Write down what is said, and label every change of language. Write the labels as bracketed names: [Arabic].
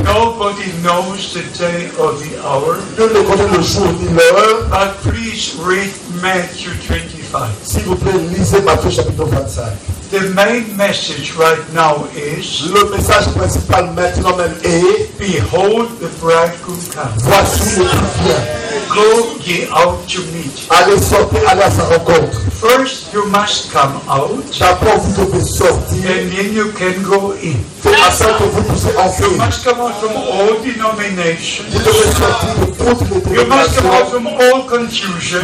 [English] Nobody knows the day or the hour. [French] Nul ne connaît le jour ni l'heure. [English] But please read Matthew 25. [French] S'il vous plaît, lisez Matthieu chapitre 25. [English] The main message right now is. [French] Le message principal maintenant même est. [English] Behold, the bridegroom comes. [French] Voici le bridegroom. [English] Go ye out to meet. [French] Allez sortir, allez à sa rencontre. [English] First you must come out. [French] D'abord vous devez sortir. [English] And then you can go in. You must come out from all denominations. You must come out from all confusion.